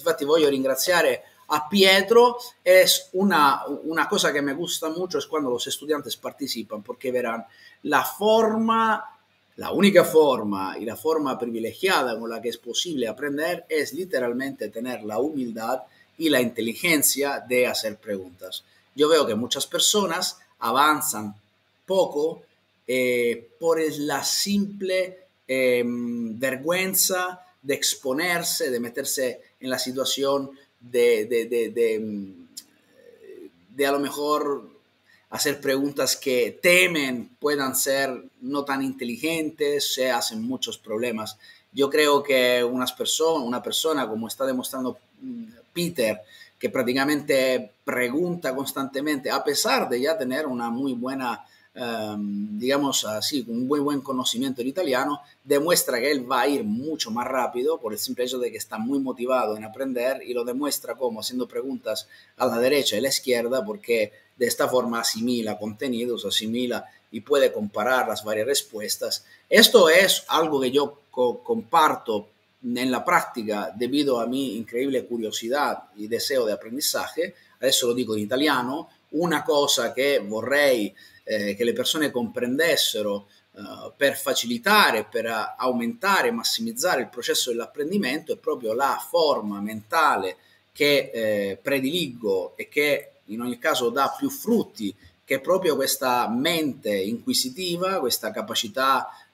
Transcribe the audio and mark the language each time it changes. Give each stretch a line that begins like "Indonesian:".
Italian: Infatti, voglio ringraziare a Pietro è una cosa che mi gusta molto è quando
Spanish: los estudiantes participan,
Italian: perché la forma, la unica forma e la forma privilegiata con la che è possibile apprendere è letteralmente
Spanish: tener la humildad y la inteligencia de hacer preguntas. Yo veo que muchas personas avanzan poco por la simple vergüenza de exponerse, de meterse en la situación de a lo mejor hacer preguntas que temen puedan ser no tan inteligentes, se hacen muchos problemas. Yo creo que una persona como está demostrando Peter, que prácticamente pregunta constantemente, a pesar de ya tener una muy buena, digamos así, un muy buen conocimiento del italiano, demuestra que él va a ir mucho más rápido por el simple hecho de que está muy motivado en aprender y lo demuestra como haciendo preguntas a la derecha y a la izquierda, porque de esta forma asimila contenidos, asimila y puede comparar las varias respuestas. Esto es algo que yo comparto en la práctica debido a mi increíble curiosidad y deseo de aprendizaje.
Italian: Adesso lo dico in italiano. Una cosa che vorrei che le persone comprendessero per facilitare, per aumentare, massimizzare il processo dell'apprendimento è proprio la forma mentale che prediligo e che in ogni caso dà più frutti, che è proprio questa mente inquisitiva, questa capacità